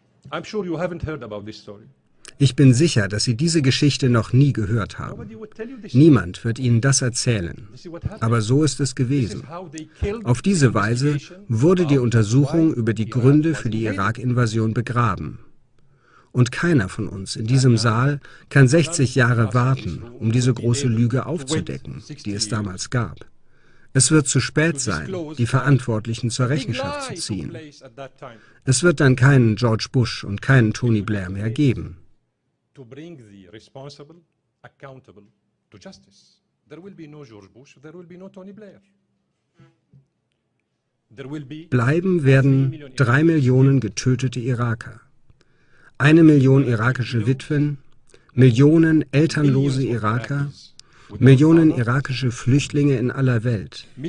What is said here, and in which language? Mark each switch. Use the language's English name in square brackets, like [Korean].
[English] I'm sure you haven't heard about this story. [German] Ich bin sicher, dass Sie diese Geschichte noch nie gehört haben. Niemand wird Ihnen das erzählen. Aber so ist es gewesen. Auf diese Weise wurde die Untersuchung über die Gründe für die Irak-Invasion begraben. Und keiner von uns in diesem Saal kann 60 Jahre warten, um diese große Lüge aufzudecken, die es damals gab. Es wird zu spät sein, die Verantwortlichen zur Rechenschaft zu ziehen. Es wird dann keinen George Bush und keinen Tony Blair mehr geben. [English] To bring the responsible accountable to justice. There will be no George Bush, there will be no Tony Blair. There will be [German] Bleiben werden 3 Millionen getötete Iraker, 1 Million irakische Witwen, Millionen elternlose Iraker, Millionen irakische Flüchtlinge in aller Welt.